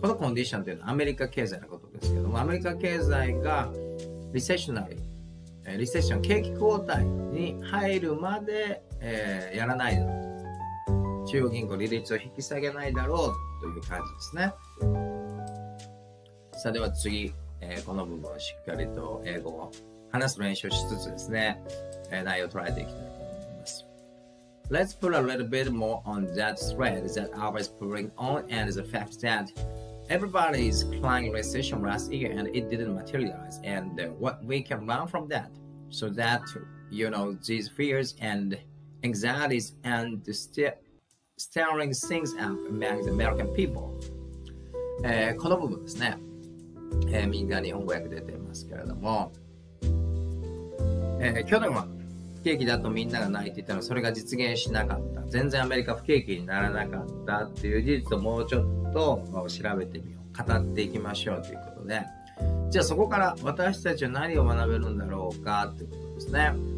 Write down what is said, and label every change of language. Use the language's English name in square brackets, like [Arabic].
[Japanese] この condition というのはアメリカ経済のことですけども、アメリカ経済が recessionary、 リセッション、景気後退に入るまで、やらないだろう、中央銀行利率を引き下げないだろうという感じですね。さあでは次、この部分をしっかりと英語を話す練習をしつつですね、内容を捉えていきたい。 [English] Let's put a little bit more on that thread that I was pulling on and the fact that everybody is crying recession last year and it didn't materialize and what we can learn from that so that, you know, these fears and anxieties and the stirring things up among the American people. [Japanese] この部分ですね。みんな日本語訳出てますけれども。去年は不景気だとみんなが泣いていたのそれが実現しなかった、全然アメリカ不景気にならなかったっていう事実をもうちょっと調べてみよう、語っていきましょうということで、じゃあそこから私たちは何を学べるんだろうかということですね。